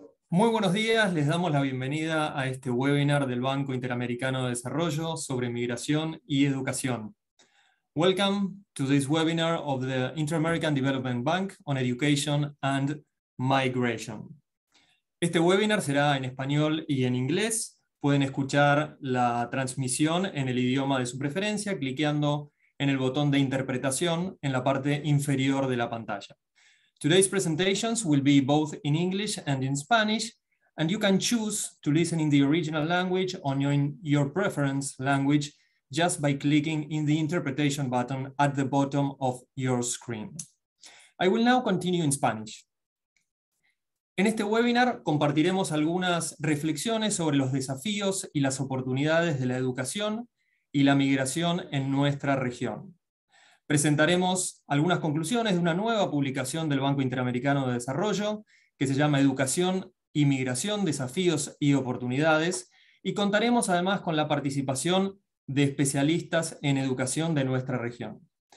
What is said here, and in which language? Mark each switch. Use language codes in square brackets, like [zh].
[es] Muy buenos días, les damos la bienvenida a este webinar del Banco Interamericano de Desarrollo sobre migración y educación. [en] Welcome to this webinar of the Inter-American Development Bank on Education and Migration. [es] Este webinar será en español y en inglés. Pueden escuchar la transmisión en el idioma de su preferencia cliqueando en el botón de interpretación en la parte inferior de la pantalla. [en] Today's presentations will be both in English and in Spanish, and you can choose to listen in the original language on your preference language just by clicking in the interpretation button at the bottom of your screen. I will now continue in Spanish. [es] En este webinar compartiremos algunas reflexiones sobre los desafíos y las oportunidades de la educación y la migración en nuestra región. Presentaremos algunas conclusiones de una nueva publicación del Banco Interamericano de Desarrollo que se llama Educación y Migración, Desafíos y Oportunidades, y contaremos además con la participación de especialistas en educación de nuestra región.